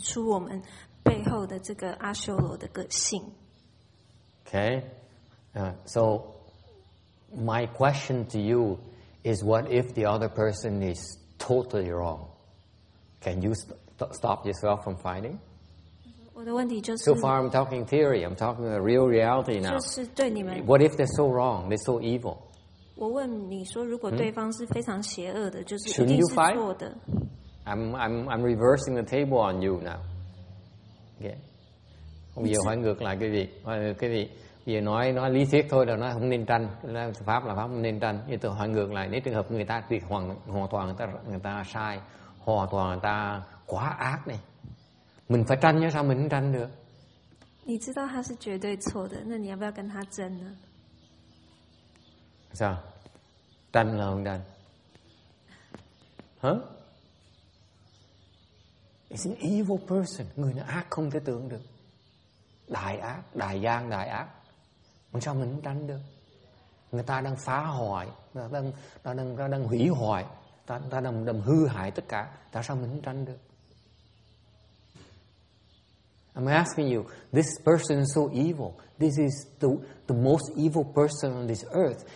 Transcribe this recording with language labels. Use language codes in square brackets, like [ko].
[zh] 他说这个不争的法门的重点就是在指出我们背后的这个阿修罗的个性。 [en] Okay? So... My question to you is, what if the other person is totally wrong? Can you stop yourself from fighting? [zh] 我的问题就是, [en] so far I'm talking theory, I'm talking a real reality now. [zh] 就是对你们, [en] what if they're so wrong, they're so evil? [zh] 我问你说如果对方是非常邪恶的, [en] shouldn't you fight? I'm reversing the table on you now. Okay. [zh] 我也还给了各位, [vi] vì nói lý thuyết thôi là nó không nên tranh, pháp là pháp không nên tranh, nhưng tôi hỏi ngược lại, nếu trường hợp người ta tuyệt hoàn toàn người ta sai, hoàn toàn người ta quá ác này, mình phải tranh chứ sao mình không tranh được? [zh] 你知道他是绝对错的, 那你要不要跟他争呢? [vi] Sao? Tranh là không tranh? Huh? [en] It's an evil person, [vi] người nó ác không thể tưởng được, đại ác, đại gian, đại ác. Mình sao mình không tránh được? Người ta đang phá hoại, đang hủy hoại, ta đang hư hại tất cả. Tại sao mình không tránh được? [en] I'm asking you, this person is so evil. This is the most evil person on this earth.